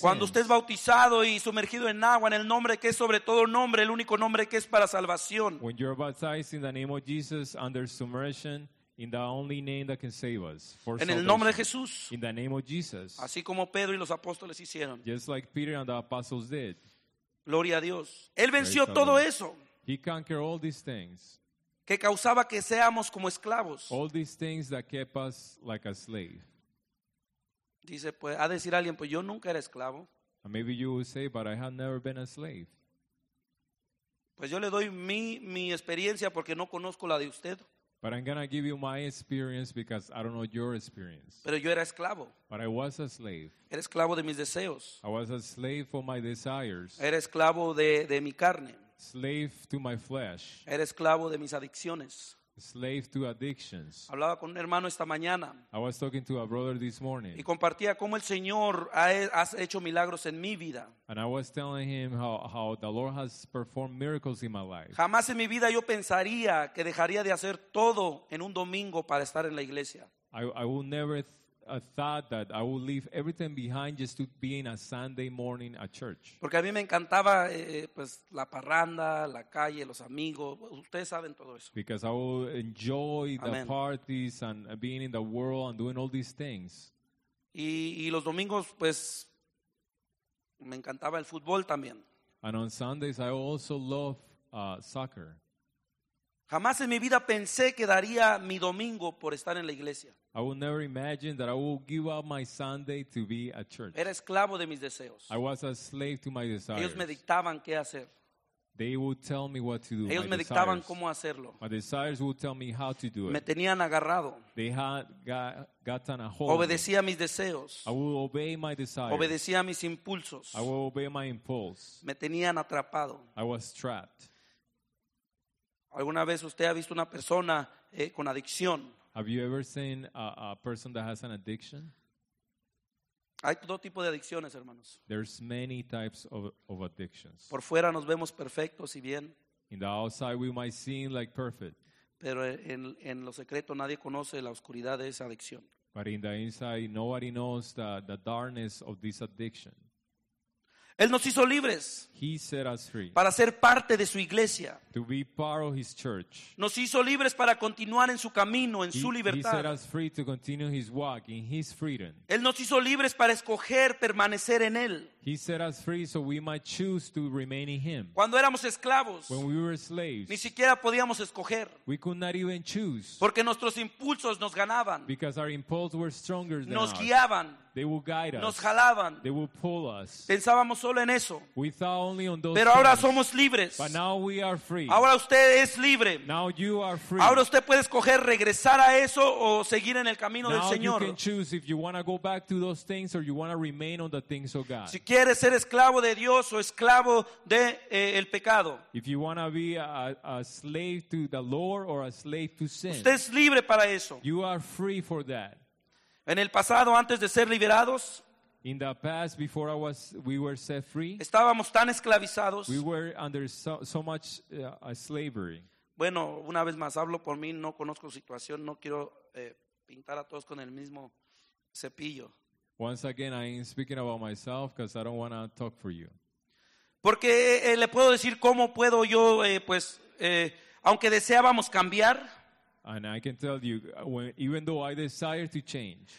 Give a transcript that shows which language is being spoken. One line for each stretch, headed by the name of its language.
Spanish: Cuando usted es bautizado y sumergido en agua, en el nombre que es sobre todo nombre, el único nombre que es para salvación.
English: When you're baptized in the name of Jesus under submersion, in the only name that can save us for
Spanish: en el nombre de Jesús.
English: In the name of Jesus.
Spanish: Así como Pedro y los apóstoles hicieron.
English: Just like Peter and the apostles did.
Spanish: Gloria a Dios. Él venció todo eso.
English: He conquered all these things.
Spanish: Que causaba que seamos como esclavos.
English: All these things that kept us like a slave.
Spanish: Dice, pues, a decir alguien, pues yo nunca era esclavo.
English: And maybe you will say, but I have never been a slave.
Spanish: Pues yo le doy mi experiencia porque no conozco la de usted.
English: But I'm gonna give you my experience because I don't know your experience.
Spanish: Pero yo era esclavo.
English: But I was a slave.
Spanish: Era esclavo de mis deseos.
English: I was a slave for my desires.
Spanish: Era esclavo de mi carne.
English: Slave to my flesh.
Spanish: Era esclavo de mis adicciones.
English: Slave to addictions.
Spanish: Hablaba con un hermano esta mañana.
English: I was talking to a brother this morning.
Spanish: Y compartía cómo el Señor ha hecho milagros en mi vida.
English: And I was telling him how the Lord has performed miracles in my life.
Spanish: Jamás en mi vida yo pensaría que dejaría de hacer todo en un domingo para estar en la iglesia.
English: I will never thought that I would leave everything behind just to be in a Sunday morning at church.
Spanish: Porque a mí me encantaba pues la parranda, la calle, los amigos. Ustedes saben todo eso.
English: Because I would enjoy the parties and being in the world and doing all these things.
Spanish: Y los domingos pues me encantaba el fútbol también.
English: And on Sundays I also love soccer.
Spanish: Jamás en mi vida pensé que daría mi domingo por estar en la iglesia.
English: I would never imagine that I would give up my Sunday to be at church.
Spanish: Era esclavo de mis deseos.
English: I was a slave to my desires.
Spanish: Ellos me dictaban qué hacer.
English: They would tell me what to do.
Spanish: Ellos me dictaban cómo hacerlo.
English: My desires would tell me how to do it.
Spanish: Me tenían agarrado.
English: They had gotten a hold.
Spanish: Obedecía mis deseos.
English: I would obey my desires.
Spanish: Obedecía mis impulsos.
English: I would obey my impulse.
Spanish: Me tenían atrapado.
English: I was trapped.
Spanish: ¿Alguna vez usted ha visto una persona con adicción?
English: Have you ever seen a person that has an addiction?
Spanish: Hay dos tipos de adicciones, hermanos.
English: There's many types of addictions.
Spanish: Por fuera nos vemos perfectos y bien.
English: In the outside we might seem like perfect.
Spanish: Pero en lo secreto nadie conoce la oscuridad de esa adicción.
English: But in the inside nobody knows the darkness of this addiction.
Spanish: Él nos hizo libres.
English: He set us free.
Spanish: Para ser parte de su iglesia.
English: To be part of his church.
Spanish: Nos hizo libres para continuar en su camino, en su libertad.
English: He set us free to continue his walk in his freedom.
Spanish: Él nos hizo libres para escoger permanecer en él.
English: He set us free so we might choose to remain in him.
Spanish: Cuando éramos esclavos,
English: when we were slaves,
Spanish: ni siquiera podíamos escoger.
English: We could not even choose.
Spanish: Porque nuestros impulsos nos ganaban.
English: Because our impulses were stronger than us.
Spanish: Nos guiaban.
English: They will guide us.
Spanish: Nos jalaban.
English: They will pull us.
Spanish: Pensábamos solo en eso.
English: We thought only on those
Spanish: Pero ahora
English: things.
Spanish: Somos libres.
English: But now we are free.
Spanish: Ahora usted es libre.
English: Now you are free.
Spanish: Ahora usted puede escoger regresar a eso o seguir en el camino
English: now
Spanish: del Señor.
English: Now you can choose if you want to go back to those things or you want to remain on the things of God.
Spanish: Si quieres ser esclavo de Dios o esclavo de el pecado.
English: If you want to be a slave to the Lord or a slave to sin.
Spanish: Usted es libre para eso.
English: You are free for that.
Spanish: En el pasado, antes de ser liberados,
English: in the past, before I was, we were set free,
Spanish: estábamos tan esclavizados.
English: We were under so much slavery.
Spanish: Bueno, una vez más, hablo por mí, no conozco situación, no quiero pintar a todos con el mismo cepillo.
English: Once again, I am speaking about myself because I don't want to talk for you.
Spanish: Porque le puedo decir cómo puedo yo, pues, aunque deseábamos cambiar.
English: And I can tell you, even though I desire to change,